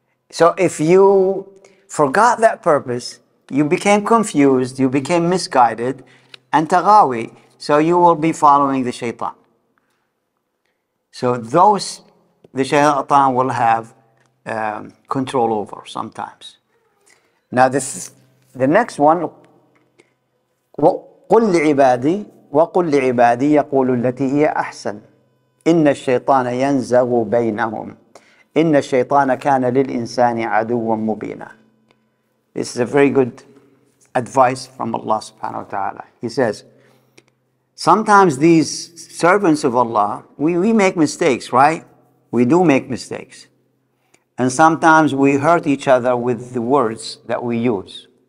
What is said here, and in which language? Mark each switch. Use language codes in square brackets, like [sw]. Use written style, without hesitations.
[en] So if you forgot that purpose, you became confused, you became misguided, and taghawi, so you will be following the shaitan. So those, the shaitan will have control over sometimes. Now this, the next one, [ar] قُلْ لِعِبَادِي وَقُلْ لِعِبَادِي يَقُولُ الَّتِي هِيَ أَحْسَنُ إِنَّ الشَّيْطَانَ يَنْزَغُ بَيْنَهُمْ إِنَّ الشَّيْطَانَ كَانَ لِلْإِنسَانِ عَدُوًا مُبِينًا. [en] This is a very good advice from Allah subhanahu wa ta'ala. He says, sometimes these servants of Allah, we make mistakes, right? We do make mistakes. And sometimes we hurt each other with the words that we use.